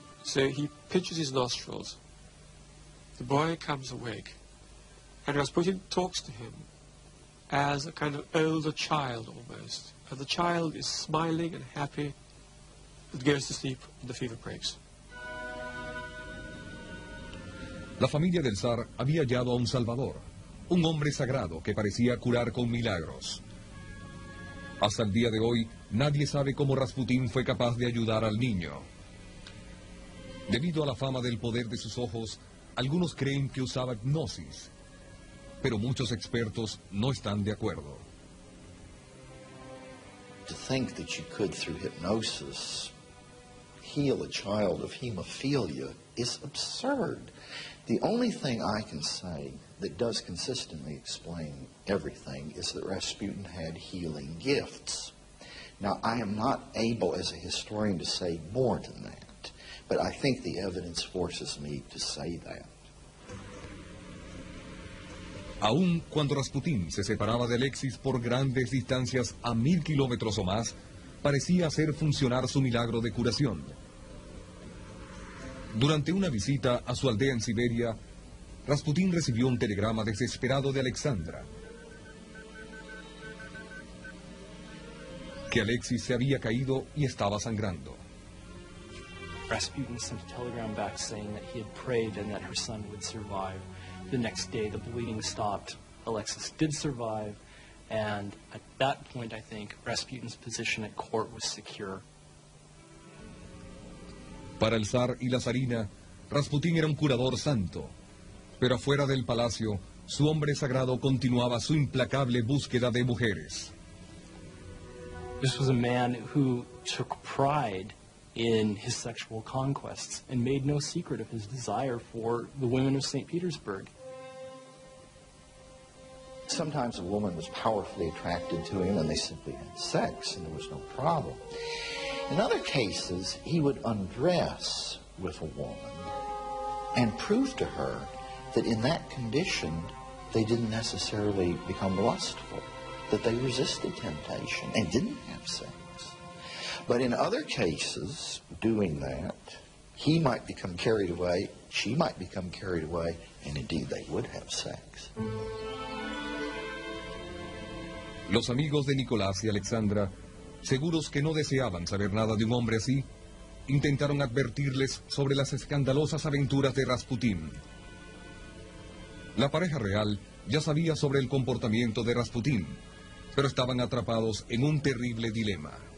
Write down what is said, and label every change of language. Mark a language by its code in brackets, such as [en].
[en] So he pinches his nostrils. The boy comes awake. And Rasputin talks to him as a kind of older child almost. And the child is smiling and happy and goes to sleep and the fever breaks. [es] La familia del zar había hallado a un salvador, un hombre sagrado que parecía curar con milagros. Hasta el día de hoy, nadie sabe cómo Rasputín fue capaz de ayudar al niño. Debido a la fama del poder de sus ojos, algunos creen que usaba hipnosis, pero muchos expertos no están de acuerdo. [en] To think that you could, through hypnosis, heal a child of hemophilia is absurd. The only thing I can say that does consistently explain everything is that Rasputin had healing gifts. Now, I am not able as a historian to say more than that, but I think the evidence forces me to say that. [es] Aún cuando Rasputin se separaba de Alexis por grandes distancias a 1000 kilómetros o más, parecía hacer funcionar su milagro de curación. Durante una visita a su aldea en Siberia, Rasputin recibió un telegrama desesperado de Alexandra. Que Alexis se había caído y estaba sangrando. [en] Rasputin sent a telegram back saying that he had prayed and that her son would survive. The next day the bleeding stopped. Alexis did survive, and at that point I think Rasputin's position at court was secure. [es] Para el zar y la zarina, Rasputin era un curador santo. Pero afuera del palacio, su hombre sagrado continuaba su implacable búsqueda de mujeres. [en] This was a man who took pride in his sexual conquests and made no secret of his desire for the women of St. Petersburg. Sometimes a woman was powerfully attracted to him and they simply had sex and there was no problem. In other cases, he would undress with a woman and prove to her that in that condition, they didn't necessarily become lustful, that they resisted temptation and didn't have sex. But in other cases, doing that, he might become carried away, she might become carried away, and indeed they would have sex. [es] Los amigos de Nicolás y Alexandra, seguros que no deseaban saber nada de un hombre así, intentaron advertirles sobre las escandalosas aventuras de Rasputín. La pareja real ya sabía sobre el comportamiento de Rasputín, pero estaban atrapados en un terrible dilema.